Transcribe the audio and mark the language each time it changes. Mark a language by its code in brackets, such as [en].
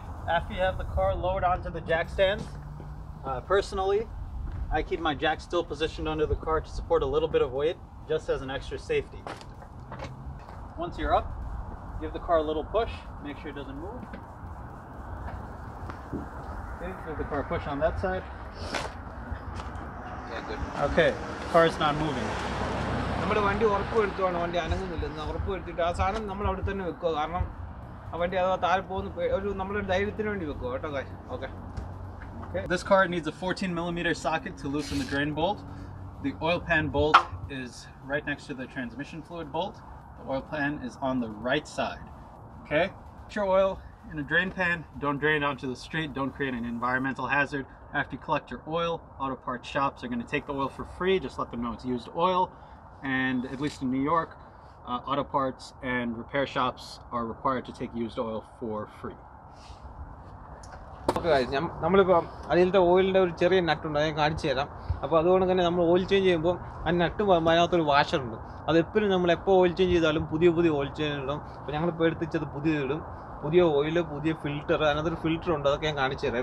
[en] After you have the car lowered onto the jack stands, personally, I keep my jack still positioned under the car to support a little bit of weight, just as an extra safety. Once you're up, give the car a little push, make sure it doesn't move. Okay, the car push on that side. Yeah, good. Okay, car is not moving. [ml] നമ്മുടെ വണ്ടി ഉറപ്പ് വരുത്തുവാണ്, വണ്ടി അനങ്ങുന്നില്ല എന്ന് ഉറപ്പ് വരുത്തിയിട്ട് ആ സാധനം നമ്മൾ അവിടെ തന്നെ വെക്കുക. കാരണം ആ വണ്ടി അഥവാ താഴെ പോകുന്ന ഒരു നമ്മുടെ ധൈര്യത്തിന് വേണ്ടി വെക്കുക കേട്ടോ. കാശ് okay. [en] This car needs a 14 millimeter socket to loosen the drain bolt. The oil pan bolt is right next to the transmission fluid bolt. The oil pan is on the right side. Okay, put your oil in a drain pan. Don't drain it onto the street. Don't create an environmental hazard. After you collect your oil, auto parts shops are going to take the oil for free. Just let them know it's used oil. And at least in New York, auto parts and repair shops are required to take used oil for free. [ml] നമ്മളിപ്പോൾ അതിലത്തെ ഓയിലിൻ്റെ ഒരു ചെറിയ നട്ടുണ്ട്, അതിനെ കാണിച്ചു തരാം. അപ്പോൾ അതുകൊണ്ട് തന്നെ നമ്മൾ ഓയിൽ ചേഞ്ച് ചെയ്യുമ്പോൾ ആ നട്ടും അതിനകത്തൊരു വാഷറുണ്ട്. അത് എപ്പോഴും നമ്മൾ എപ്പോൾ ഓയിൽ ചേഞ്ച് ചെയ്താലും പുതിയ പുതിയ ഓയിൽ ചേഞ്ച് ഇടും. അപ്പോൾ ഞങ്ങളിപ്പോൾ എടുത്തിച്ചത് പുതിയതിടും, പുതിയ ഓയില്, പുതിയ ഫിൽട്ടർ, അതിനകത്തൊരു ഫിൽട്ടർ ഉണ്ട്, അതൊക്കെ ഞാൻ കാണിച്ചു തരാം.